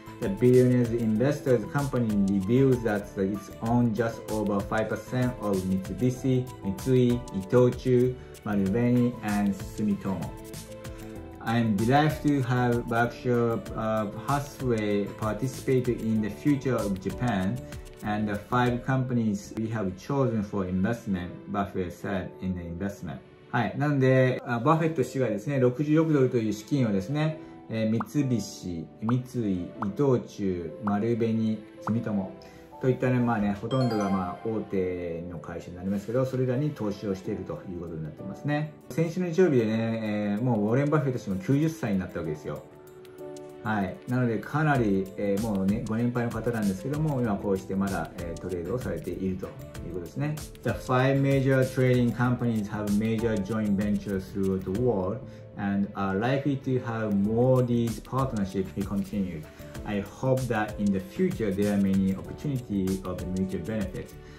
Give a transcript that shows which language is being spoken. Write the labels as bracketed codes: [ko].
[en] The billionaire's investors company revealed that it owns just over 5% of Mitsubishi, Mitsui, ITOCHU, Marubeni, and Sumitomo. I am delighted to have Berkshire Hathaway participate in the future of Japan and the five companies we have chosen for investment, Buffett said in the investment. [ja] はい、なので、バフェット氏がですね、66ドルという資金をですね、三菱、三井、伊藤忠、丸紅、住友といったね、まあね、ほとんどがまあ大手の会社になりますけど、それらに投資をしているということになってますね。先週の日曜日でね、もうウォーレン・バフェット氏も90歳になったわけですよ。はい。なので、かなり、もうね、ご年配の方なんですけども、今こうしてまだ、トレードをされているということですね。 [en] The five major trading companies have major joint ventures throughout the world and are likely to have more these partnerships, he continued. I hope that in the future there are many opportunities of mutual benefit.